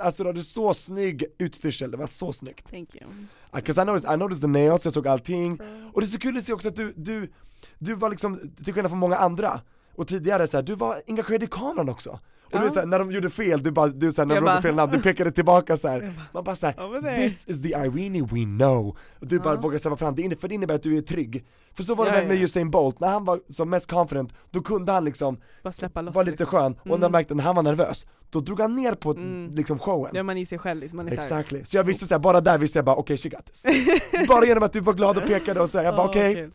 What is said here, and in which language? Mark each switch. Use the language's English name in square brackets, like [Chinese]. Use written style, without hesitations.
[Swedish] Alltså du hade så snygg utstyrsel. Det var så snyggt. [English] Thank you. Because I noticed the nails, [Swedish] jag såg allting. [English] Mm. [Swedish] Och det är så kul att se också att du var liksom, till skillnad från många andra och tidigare, så här, du var engagerad i kameran också. Och du är såhär, när de gjorde fel, du pekade tillbaka så här. Man bara såhär, [English] this is the Irene we know. [Swedish] Och du bara vågar säga fram, för det innebär att du är trygg. För så var det med Usain Bolt, när han var som mest confident, då kunde han liksom bara släppa loss, var lite liksom skön. Och när han märkte att han var nervös, då drog han ner på liksom showen. Ja, man i sig själv. Liksom, man är [English] exactly. [Swedish] Så jag visste såhär, bara där visste jag bara, okej, okay, [English] she got this. [Swedish] Bara genom att du var glad och pekade och såhär, jag bara okej. Okay.